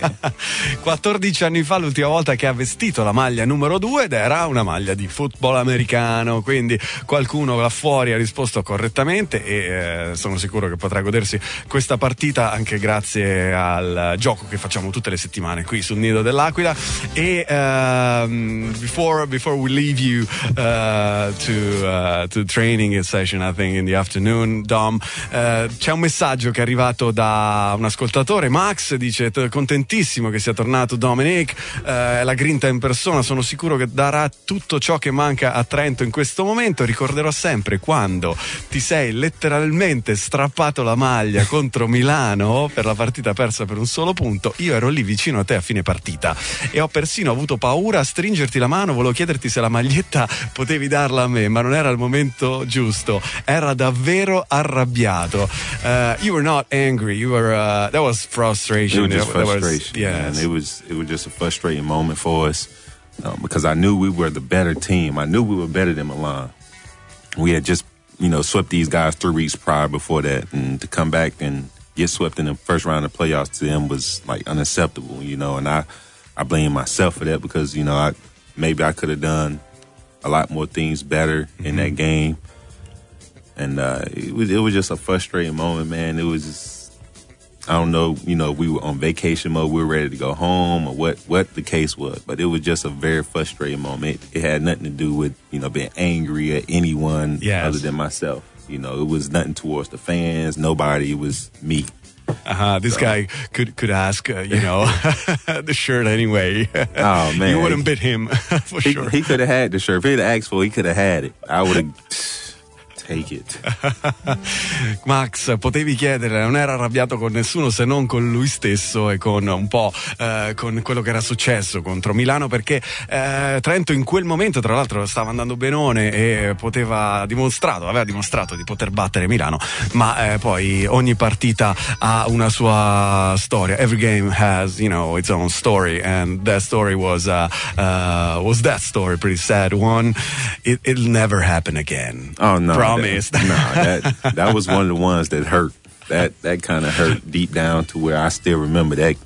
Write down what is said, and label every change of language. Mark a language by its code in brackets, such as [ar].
[it] 14 anni fa l'ultima volta che ha vestito la maglia numero 2 ed era una maglia di football americano, quindi qualcuno là fuori ha risposto correttamente e sono sicuro che potrà godersi questa partita anche grazie al gioco che facciamo tutte le settimane qui sul Nido dell'Aquila. [en] E before we leave you to training session, I think in the afternoon, Dom, [it] c'è un messaggio che è arrivato da un ascoltatore, Max, dice: contentissimo che sia tornato Dominic, la grinta in persona, sono sicuro che darà tutto ciò che manca a Trento in questo momento. Ricorderò sempre quando ti sei letteralmente strappato la maglia contro Milano per la partita persa per un solo punto. Io ero lì vicino a te a fine partita e ho persino avuto paura a stringerti la mano, volevo chiederti se la maglietta potevi darla a me, ma non era il momento giusto, era davvero arrabbiato. [en] You were not angry, you were that was frustration. It was just frustration. Yeah, it was just a frustrating moment for us, because I knew we were the better team. I knew we were better than Milan. We had just, you know, swept these guys 3 weeks prior before that, and to come back and get swept in the first round of playoffs to them was like unacceptable, you know. And I blame myself for that, because, you know, maybe I could have done a lot more things better in that game. And it was just a frustrating moment, man. It was just, I don't know, you know, we were on vacation mode, we were ready to go home or what the case was, but it was just a very frustrating moment. It had nothing to do with, you know, being angry at anyone other than myself. You know, it was nothing towards the fans, nobody, it was me. This guy could ask, you know, the shirt anyway. Oh, man. You wouldn't bit him, for sure. He could have had the shirt. If he had asked for it, he could have had it. I would have... Take it. [it] Max, potevi chiedere, non era arrabbiato con nessuno se non con lui stesso e con un po' con quello che era successo contro Milano, perché Trento in quel momento, tra l'altro, stava andando benone e aveva dimostrato di poter battere Milano, ma poi ogni partita ha una sua storia. [en] Every game has, you know, its own story, and that story was that story, pretty sad one. It'll never happen again. Oh no. Probably. That was one of the ones that hurt. That kind of hurt deep down to where I still remember that.